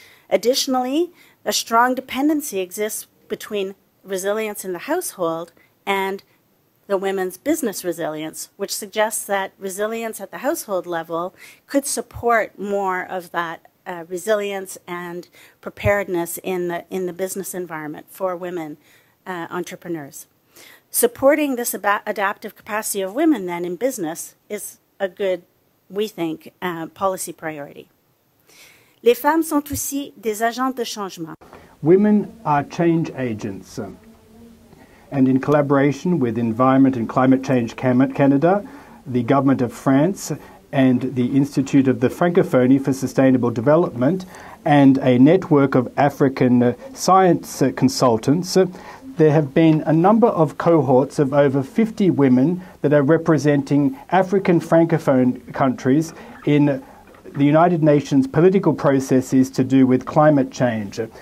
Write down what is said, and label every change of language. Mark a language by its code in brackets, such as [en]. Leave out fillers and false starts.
[en] Additionally, a strong dependency exists between resilience in the household and the women's business resilience, which suggests that resilience at the household level could support more of that resilience and preparedness in the business environment for women entrepreneurs. Supporting this adaptive capacity of women then in business is a good, we think, policy priority. [fr] Les femmes sont aussi des agents de changement. [en] Women are change agents. And in collaboration with Environment and Climate Change Canada, the Government of France, and the Institute of the Francophonie for Sustainable Development, and a network of African science consultants, there have been a number of cohorts of over 50 women that are representing African Francophone countries in the United Nations political processes to do with climate change.